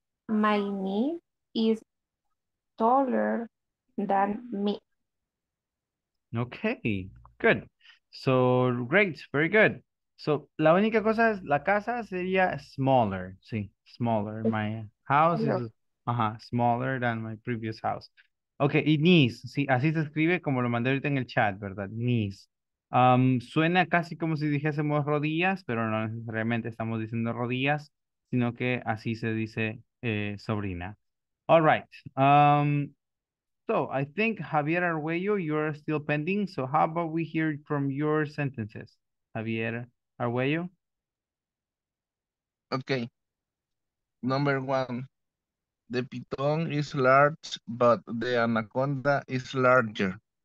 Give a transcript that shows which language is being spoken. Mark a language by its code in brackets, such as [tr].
[en] My niece is taller than me. Okay, good. So, great, very good. [es] So, la única cosa es, la casa sería smaller. Sí, smaller. [en] My house is smaller than my previous house. [es] Okay, y niece. Sí, así se escribe como lo mandé ahorita en el chat, ¿verdad? Niece. Suena casi como si dijésemos rodillas, pero no necesariamente estamos diciendo rodillas, sino que así se dice sobrina. [en] All right. So I think Javier Arguello, you are still pending. So how about we hear from your sentences, Javier Arguello? Okay. Number one, the python is large, but the anaconda is larger.